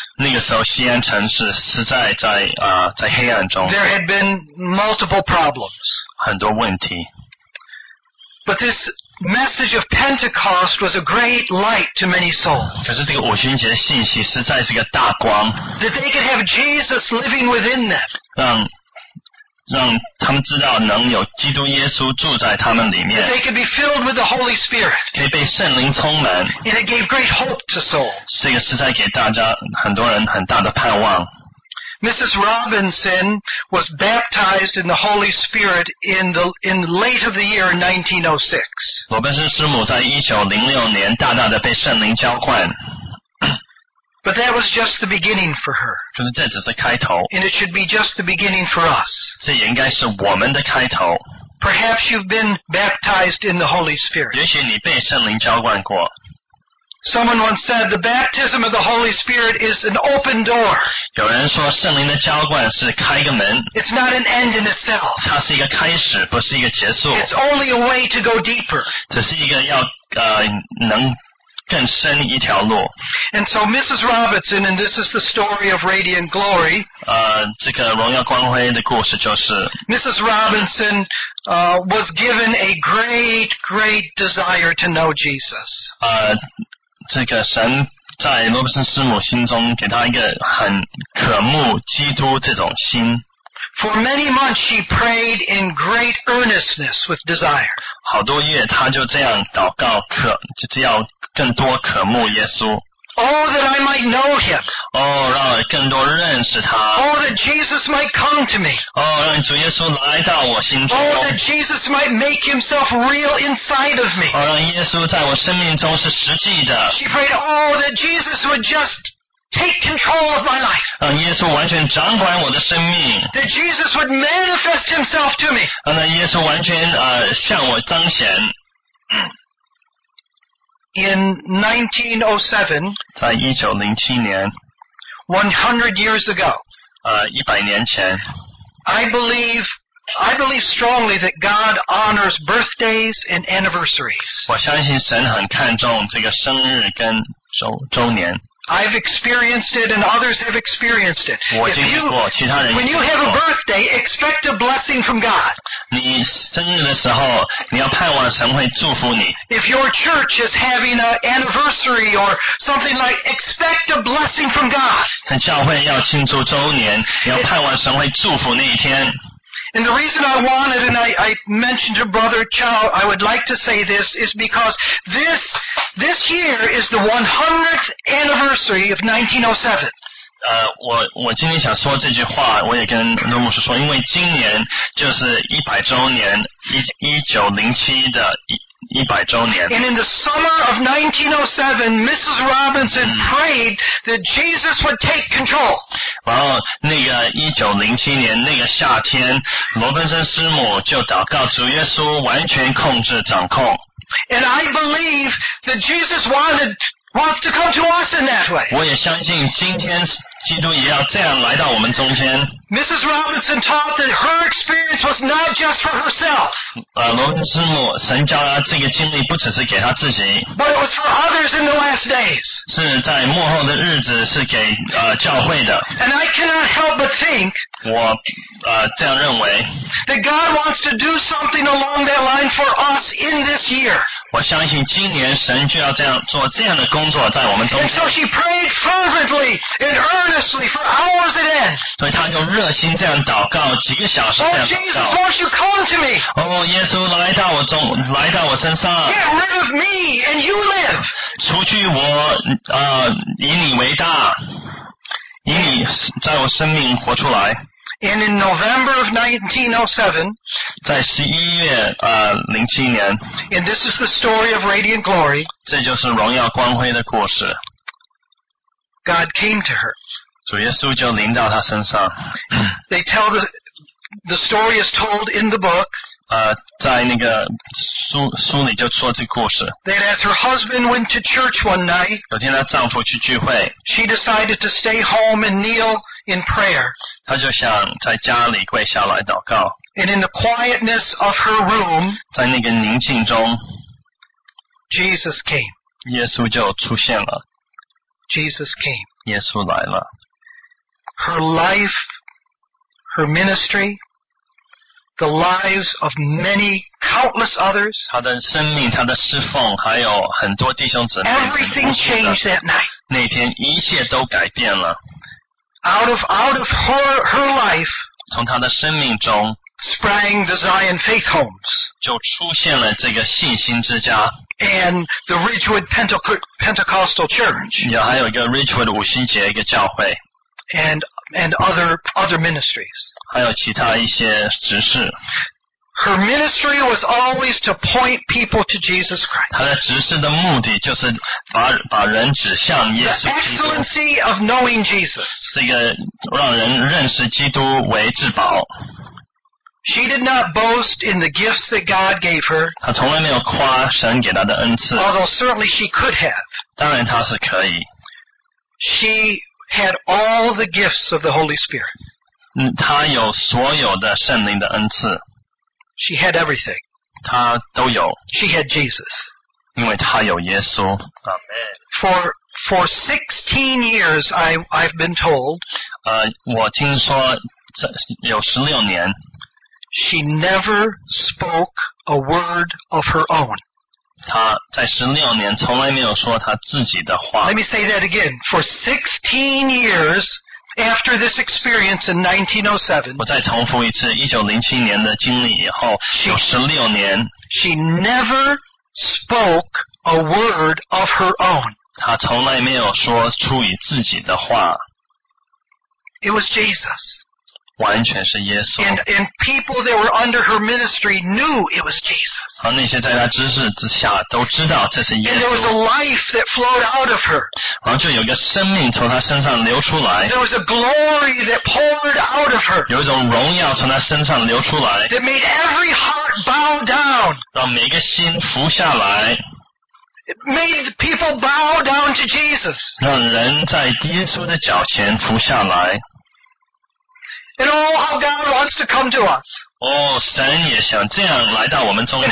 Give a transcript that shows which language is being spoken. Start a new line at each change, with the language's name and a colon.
Chinese: 那个时候西安城是实在在在黑暗中。
English: There had been multiple problems.
Chinese: 很多问题。
English: But this message of Pentecost was a great light to many souls.
Chinese: 可是这个五旬节的信息实在是个大光。
English: That they could have Jesus living within them.
Chinese: 让他们知道能有基督耶稣住在他们里面。
English: They could be filled with the Holy Spirit.
Chinese: 可以被圣灵充满。
English: And it gave great hope to souls.
Chinese: 这个实在给大家很多人很大的盼望。
English: Mrs. Robinson was baptized in the Holy Spirit in the late of the year 1906.
Chinese: 罗宾森师母在1906年大大的被圣灵浇灌。
English: But that was just the beginning for her.
Chinese: 可是这只是开头。
English: And it should be just the beginning for us.
Chinese: 这也应该是我们的开头。
English: Perhaps you've been baptized in the Holy Spirit.
Chinese: 也许你被圣灵浇灌过。
English: Someone once said, the baptism of the Holy Spirit is an open door.
Chinese: 有人说圣灵的浇灌是开个门。
English: It's not an end in itself.
Chinese: 它是一个开始，不是一个结束。
English: It's only a way to go deeper.
Chinese: 只是一个要能更深一条路。
English: And so Mrs. Robertson, and this is the story of Radiant Glory.
Chinese: 这个荣耀光辉的故事就是
English: Mrs. Robertson, was given a great, great desire to know Jesus.
Chinese: 这个神在罗伯森师母心中给她一个很渴慕基督这种心。
English: For many months she prayed in great earnestness with desire.
Chinese: 好多月她就这样祷告，渴就是要更多渴慕耶稣。
English: Oh, that I might know him.
Chinese: Oh, 让我更多认识他。
English: Oh, that Jesus might come to me.
Chinese: Oh, 让主耶稣来到我心中。
English: Oh, that Jesus might make himself real inside of me.
Chinese: Oh, 让耶稣在我生命中是实际的。
English: She prayed, oh, that Jesus would just take control of my life.
Chinese: 让耶稣完全掌管我的生命。
English: That Jesus would manifest himself to me.
Chinese: 让耶稣完全向我彰显。
English: In 1907, 100 years ago,
Chinese: 100年前,
English: I believe strongly that God honors birthdays and anniversaries.
Chinese: 我相信神很看重这个生日跟周年。
English: I've experienced it and others have experienced it.
Chinese: 我经历过，其他人。
English: When you have a birthday, expect a blessing from God.
Chinese: 你生日的时候，你要盼望神会祝福你。
English: If your church is having an anniversary or something like, expect a blessing from God.
Chinese: 教会要庆祝周年，你要盼望神会祝福那一天。
English: And the reason I wanted, and I mentioned to Brother Chow, I would like to say this, is because this year is the 100th anniversary of 1907.
Chinese: 我今天想说这句话，我也跟罗牧师说，因为今年就是100周年，1907的100周年。
English: And in the summer of 1907, Mrs. Robinson prayed that Jesus would take control.
Chinese: 然后那个1907年那个夏天，罗伯森师母就祷告主耶稣完全控制掌控。
English: And I believe that Jesus wants to come to us in that way.
Chinese: 我也相信今天基督也要这样来到我们中间。
English: Mrs. Robinson taught that her experience was not just for herself.
Chinese: 罗恩师母，神教她这个经历不只是给她自己。
English: But it was for others in the last days.
Chinese: 是在末后的日子，是给教会的。
English: And I cannot help but think.
Chinese: 我这样认为。
English: That God wants to do something along that line for us in this year.
Chinese: 我相信今年神就要这样做这样的工作在我们中间。
English: And so she prayed fervently and earnestly for hours at end.
Chinese: 所以她就热心这样祷告几个小时这样祷告。
English: Oh, Jesus, won't you come to me?
Chinese: 哦、oh, ，耶稣来到我中，来到我身上。
English: Get rid of me and you live.
Chinese: 除去我，以你为大，以你在我生命活出来。
English: And in November of 1907,
Chinese: 在11月07年。
English: And this is the story of Radiant Glory.
Chinese: 这就是荣耀光辉的故事。
English: God came to her.
Chinese: 主耶稣就临到他身上。
English: They tell the story is told in the book.
Chinese: 在那个书里就说这故事。
English: That as her husband went to church one night,
Chinese: 有天她丈夫去聚会。
English: She decided to stay home and kneel in prayer.
Chinese: 她就想在家里跪下来祷告。
English: And in the quietness of her room,
Chinese: 在那个宁静中
English: ，Jesus came.
Chinese: 耶稣就出现了。
English: Jesus came.
Chinese: 耶稣来了。
English: Her life, her ministry, the lives of many countless others.
Chinese: 她的生命，她的侍奉，还有很多弟兄姊妹。
English: Everything changed that night.
Chinese: 那天一切都改变了。
English: Out of her life,
Chinese: 从她的生命中
English: sprang the Zion Faith Homes.
Chinese: 就出现了这个信心之家。
English: And the Ridgewood Pentecostal Church.
Chinese: 也还有一个 Ridgewood 五旬节一个教会。
English: And other ministries.
Chinese: 还有其他一些执事。
English: Her ministry was always to point people to Jesus Christ.
Chinese: 她的执事的目的就是把人指向耶稣基督。
English: The excellency of knowing Jesus.
Chinese: 这个让人认识基督为至宝。
English: She did not boast in the gifts that God gave her.
Chinese: 她从来没有夸神给她的恩赐。
English: Although certainly she could have.
Chinese: 当然她是可以。
English: She. Had all the gifts of the Holy Spirit.
Chinese: 她有所有的圣灵的恩赐。
English: She had everything.
Chinese: 她都有。
English: She had Jesus.
Chinese: 因为他有耶稣。
English: Amen. For 16 years, I've been told.
Chinese: 我听说有16年。
English: She never spoke a word of her own.
Chinese: 她在16年从来没有说她自己的话。
English: Let me say that again. For 16 years after this experience in 1907,
Chinese: 我再重复一次1907年的经历以后有16年。
English: She never spoke a word of her own.
Chinese: 她从来没有说出于自己的话。
English: It was Jesus.
Chinese: 完全是耶稣。
English: And people that were under her ministry knew it was Jesus.
Chinese: 和那些在她知识之下都知道这是耶稣。
English: And there was a life that flowed out of her.
Chinese: 然后就有一个生命从她身上流出来。
English: There was a glory that poured out of her.
Chinese: 有一种荣耀从她身上流出来。
English: That made every heart bow down.
Chinese: 让每个心伏下来。
English: It made people bow down to Jesus.
Chinese: 让人在耶稣的脚前伏下来。
English: And oh, how God wants to come to us.
Chinese: Oh, 神也想这样来到我们中间。